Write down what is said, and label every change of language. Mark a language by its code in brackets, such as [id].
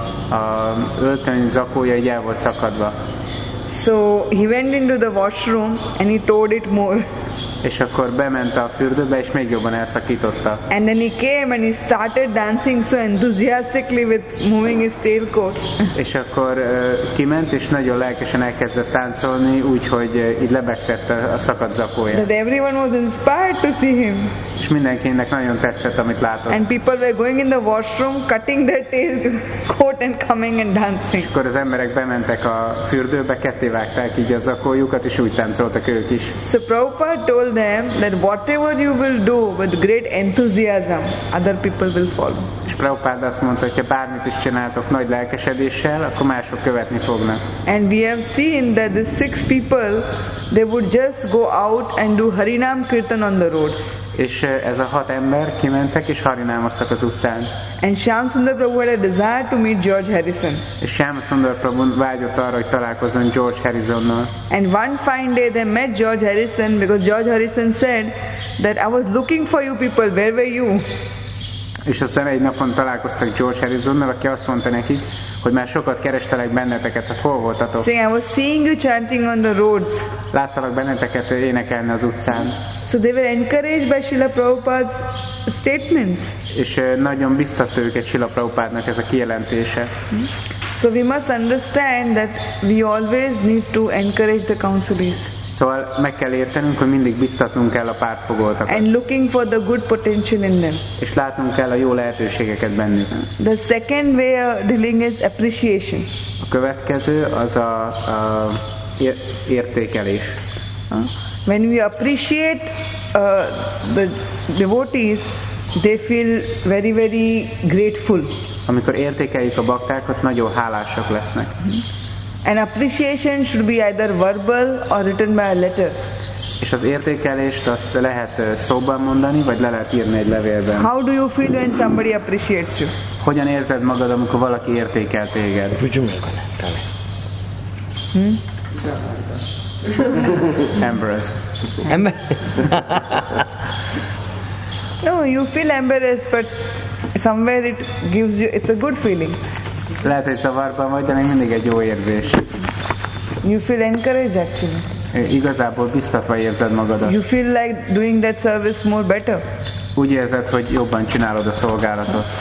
[hu] A öltöny zakója így el volt szakadva. [en] So he went into the washroom and he tore it more. [hu] És akkor bement a fürdőbe és még jobban elszakította. [en] And then he came and he started dancing so enthusiastically with moving his tail coat. [hu] És akkor kiment és nagyon lelkesen elkezdett táncolni, úgyhogy így lebegtette a szakadt zakóját. [en] That everyone was inspired to see him. [hu] És mindenkinek nagyon tetszett, amit látott. [en] And people were going in the washroom, cutting their tail coat and coming and dancing. [hu] És akkor az emberek bementek a fürdőbe, ketté vágták így a zakójukat és úgy táncoltak ők is. [en] So Prabhupada told them that whatever you will do with great enthusiasm, other people will follow. [hu] És Prabhupada azt mondta, hogy ha bármit is csináltok nagy lelkesedéssel, akkor mások követni fognak. [en] And we have seen that the six people, they would just go out and do Harinam Kirtan on the roads. [hu] És ez a hat ember kimentek és harinámoztak az utcán. [en] And Shyama Sundar Prabhu had a desire to meet George Harrison. [hu] És Shyama Sundar Prabhu vágyott arra, hogy találkozzon George Harrisonnal. [en] And one fine day they met George Harrison because George Harrison said that I was looking for you people, where were you? [hu] És aztán egy napon találkoztak George Harrisonnal, aki azt mondta nekik, hogy már sokat kerestelek benneteket, hát hol voltatok? [en] See, I was seeing you chanting on the roads. [hu] Láttalak benneteket énekelni az utcán. [en] So they were encouraged by Srila Prabhupada's statements. [hu] És nagyon biztatta őket Srila Prabhupádnak ez a kijelentése. [en] So we must understand that we always need to encourage the counselees. [hu] Szóval meg kell értenünk, hogy mindig biztatnunk kell a pártfogoltakat. [en] And looking for the good potential in them. [hu] És látnunk kell a jó lehetőségeket bennük. [en] The second way of dealing is appreciation. [hu] A következő az a értékelés. [en] When we appreciate the devotees, they feel very, very grateful. [hu] Amikor értékeljük a baktákat, nagyon hálásak lesznek. [en] An appreciation should be either verbal or written by a letter. [hu] És az értékelést azt lehet szóban mondani, vagy le lehet írni egy levélben. [en] How do you feel when somebody appreciates you? [hu] Hogyan érzed magad, amikor valaki értékel téged? [en] Embarrassed. No, you feel embarrassed, but somewhere it gives you, it's a good feeling. [hu] Lehet, hogy szavarban vagy, de még mindig egy jó érzés. [en] You feel encouraged actually. [hu] Igazából biztatva érzed magadat. [en] You feel like doing that service more better. [hu] Úgy érzed, hogy jobban csinálod a szolgálatot.